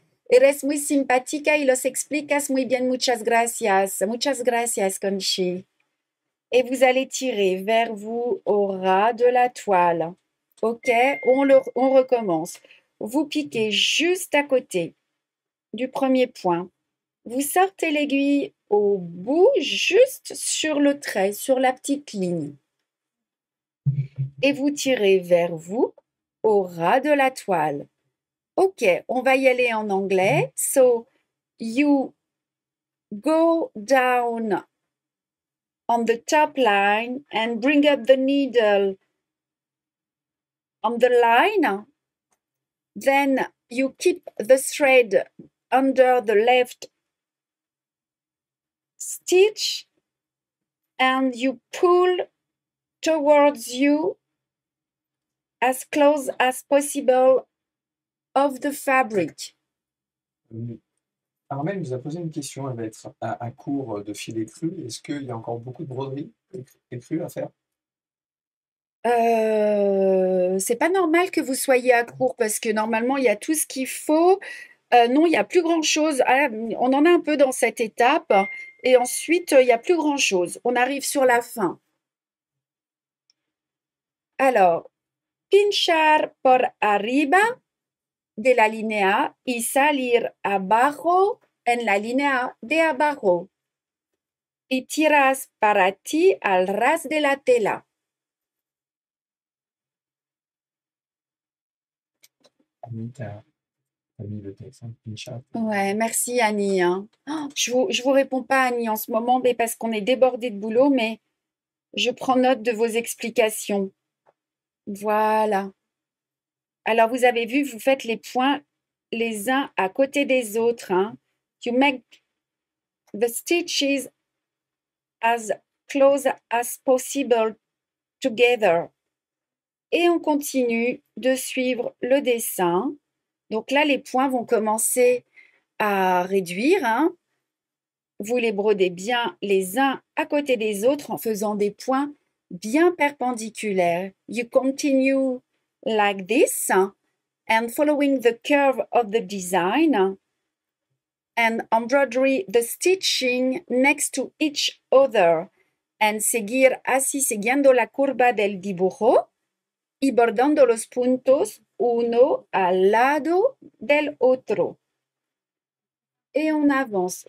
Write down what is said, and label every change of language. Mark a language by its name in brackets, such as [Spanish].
[Spanish] Eres muy simpática y los explicas muy bien. Muchas gracias. Muchas gracias, Conchi. [French] Et vous allez tirer vers vous au ras de la toile. OK, on recommence. Vous piquez juste à côté du premier point. Vous sortez l'aiguille au bout, juste sur le trait, sur la petite ligne. Et vous tirez vers vous au ras de la toile. OK, on va y aller en anglais. [English] So, you go down on the top line and bring up the needle on the line. Then you keep the thread under the left stitch and you pull towards you as close as possible of the fabric. [French] Armelle nous a posé une question, elle va être à court de fil écru. Est-ce qu'il y a encore beaucoup de broderie écru à faire? C'est pas normal que vous soyez à court parce que normalement il y a tout ce qu'il faut. Non, il y a plus grand chose. On en a un peu dans cette étape et ensuite il y a plus grand chose. On arrive sur la fin. [Spanish] Alors, pinchar por arriba de la linea y salir abajo en la linea de abajo. Y tiras para ti al ras de la tela. [French] T'as mis le texte, hein, pinchar. Ouais, merci Annie. Hein. Je vous réponds pas Annie en ce moment, mais parce qu'on est débordé de boulot, mais je prends note de vos explications. Voilà. Alors vous avez vu, vous faites les points les uns à côté des autres. Hein. [English] You make the stitches as close as possible together. [French] Et on continue de suivre le dessin. Donc là, les points vont commencer à réduire, hein. Vous les brodez bien les uns à côté des autres en faisant des points bien perpendiculaires. [English] You continue like this and following the curve of the design and embroidery the stitching next to each other and [Spanish] seguir así siguiendo la curva del dibujo y bordando los puntos uno al lado del otro. [French] Et on avance.